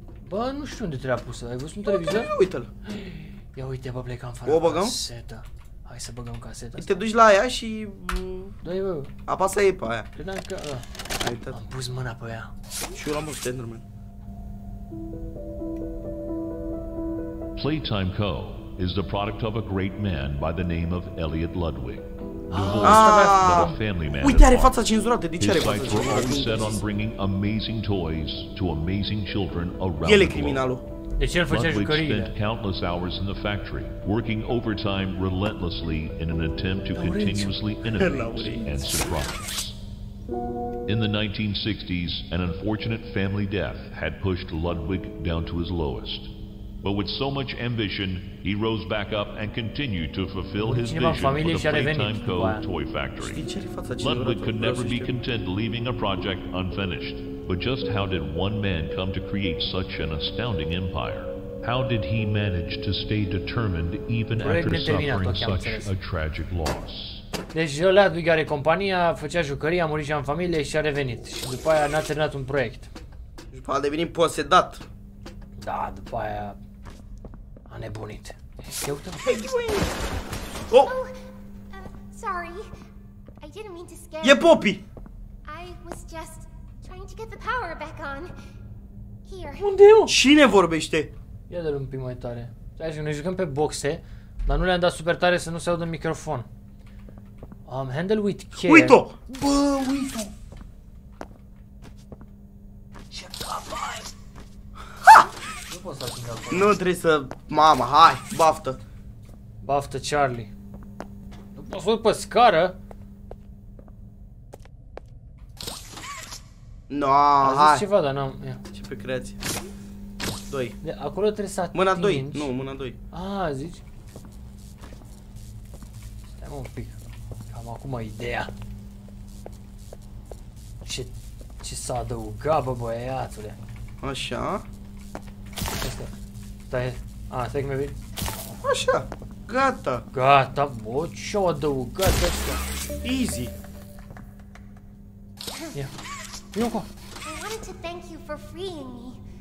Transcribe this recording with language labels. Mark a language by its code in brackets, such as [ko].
[ro] Bă, nu știu unde trebuia pusă. Ai văzut un televizor? Ia uite-l. Ia uite, bă, plecam fără o băgăm? Caseta. Hai să băgăm caseta. Te duci la aia și... Da-i, bă. Apasă e pe aia. Credeam că... Ai uitat. Am pus mâna pe aia. Și eu l-am văzut, Enderman. [en] Playtime Co. is the product of a great man by the name of Elliot Ludwig. [ro] Uite, are fața cenzurată, de ce are fața cenzurată? [en] Set on bringing amazing toys to amazing children around. [ro] El e criminalul. Deci el făcea jucăriile. [en] Ludwig spent countless hours in the factory, working overtime relentlessly in an attempt to continuously innovate and surprise. In the 1960s, an unfortunate family death had pushed Ludwig down to his lowest. But with so much ambition, he rose back up and continued to fulfill his vision for the Playtime Co. toy factory. Ludwig could never be content leaving a project unfinished. But just how did one man come to create such an astounding empire? How did he manage to stay determined even after suffering such a tragic loss? [ro] Deci Ludwig are compania, făcea jucării, a murit și în familie și a revenit. Și după aia n-a terminat un proiect. După a devenit posedat. Da, după aia a nebunit. [en] Hey, give me! Oh! Sorry. I didn't mean to scare you. [ro] E Poppy! [en] I was just trying to get the power back on. Here. [ro] Unde e? Cine vorbește? Ia de-l un pic mai tare. Stai așa, noi jucăm pe boxe, dar nu le-am dat super tare să nu se audă în microfon. [en] Handle with care. [ro] Uit-o! Bă, uit-o! Ce tapai! Ha! Nu poți să ating acolo. Nu trebuie să... Mama, hai, baftă! Baftă, Charlie. Nu poți să urc pe scară? No, hai! A zis ceva, dar n-am... Ia. Ce pe creație? 2. De acolo trebuie să atingi. Mâna 2, nu, mâna 2. Ah, zici? Stai mă un pic. Acum ideea. Ce s-a adăugat, bă, băiatule. Așa. Asta. Stai. A, stai că mi-a venit. Așa. Gata. Gata, bă, ce-a adăugat ăsta. [en] Easy. [ro] Ia. Ia-o. [en] I wanted to thank you for freeing me.